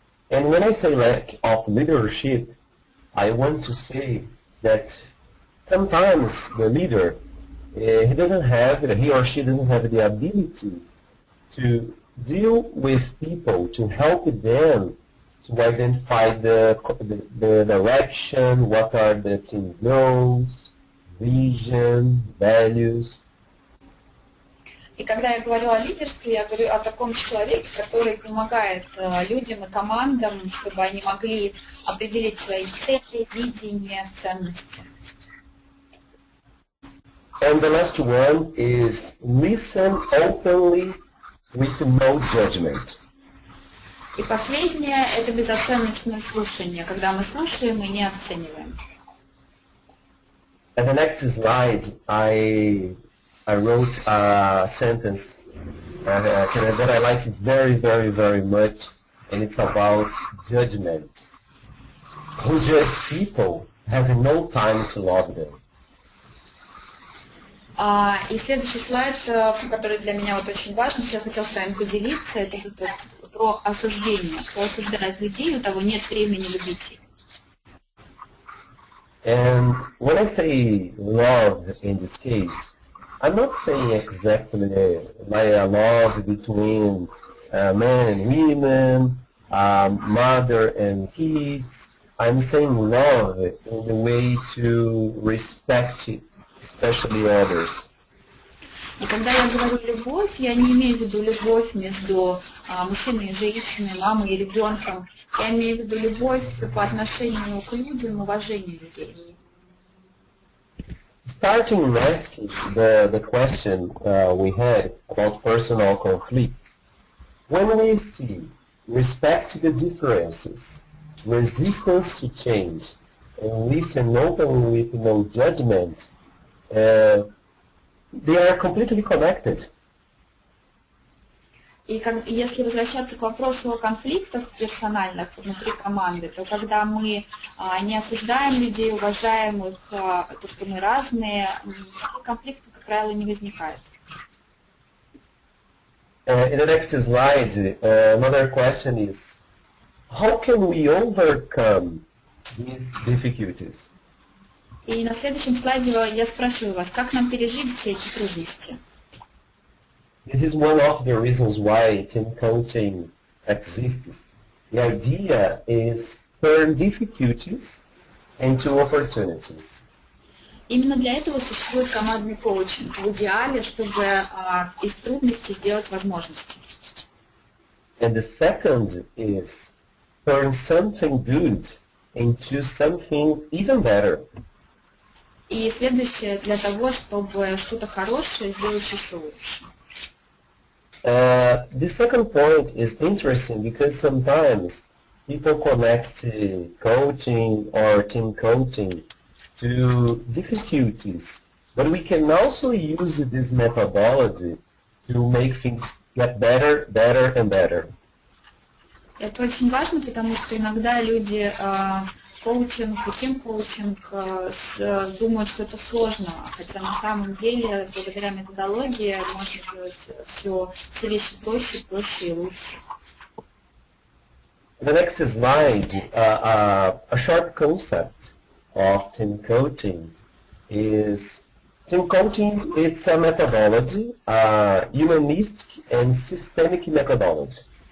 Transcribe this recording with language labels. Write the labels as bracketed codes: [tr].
[en] And when I say lack of leadership, I want to say that sometimes the leader, he doesn't have, he or she doesn't have the ability to deal with people, to help them to identify the direction, what are the team goals, vision, values. [ru] И когда я говорю о лидерстве, я говорю о таком человеке, который помогает людям и командам, чтобы они могли определить свои цели, видения, ценности. [en] And the last one is listen openly with no judgment. [ru] И последнее – это безоценочное слушание, когда мы слушаем и не оцениваем. [en] In the next slide, I wrote a sentence that I like very, very, very much, and it's about judgment. Who judge people have no time to love them. [ru] И следующий слайд, который для меня вот очень важен, что я хотел с вами поделиться, это вот про осуждение. Кто осуждает людей, у того нет времени любить их. [en] And when I say love in this case, I'm not saying exactly like a love between men and women, mother and kids. I'm saying love in the way to respect it. Especially others. [ru] И когда я говорю любовь, я не имею в виду любовь между мужчиной и женщиной, мамой и ребенком. Я имею в виду любовь по отношению к людям, уважению людей. [en] Starting asking the question we had about personal conflicts. When we see respect to the differences, resistance to change, and listen openly with no judgment, they are completely connected. [ru] И как, если возвращаться к вопросу о конфликтах персональных внутри команды, то когда мы не осуждаем людей, уважаем их, то, что мы разные, конфликты, как правило, не возникают. [en] In the next slide, another question is, how can we overcome these difficulties? [ru] И на следующем слайде я спрашиваю вас, как нам пережить все эти трудности? [en] This is one of the reasons why team coaching exists. The idea is turn difficulties into opportunities. [ru] Именно для этого существует командный коучинг, в идеале, чтобы из трудностей сделать возможности. [en] And the second is turn something good into something even better. [ru] И следующее для того, чтобы что-то хорошее сделать еще лучше. [en] The second point is interesting because sometimes people connect coaching or team coaching to difficulties, but we can also use this methodology to make things get better, better and better. [ru] Это очень важно, потому что иногда люди коучинг и тим-коучинг думают, что это сложно, хотя на самом деле благодаря методологии можно делать все вещи проще, проще и лучше. [en] The next slide, a short concept of team coaching is team coaching is a methodology, a humanistic and systemic methodology.